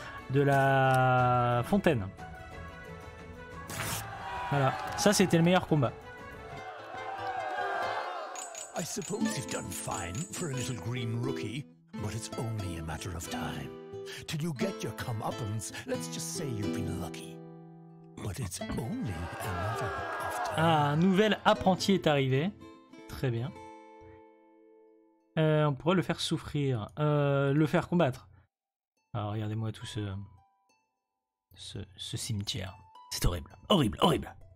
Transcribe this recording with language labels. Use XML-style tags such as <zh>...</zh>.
<fr>de la fontaine. Voilà, ça c'était le meilleur combat.</fr> <en>I suppose you've done fine for a little green rookie, but it's only a matter of time. Till you get your comeuppance, let's just say you've been lucky. But it's only a matter of time.</en> <fr>Ah, un nouvel apprenti est arrivé. Très bien. On pourrait le faire souffrir. Le faire combattre. Alors regardez-moi tout ce... Ce cimetière. C'est horrible. Horrible, horrible.</fr>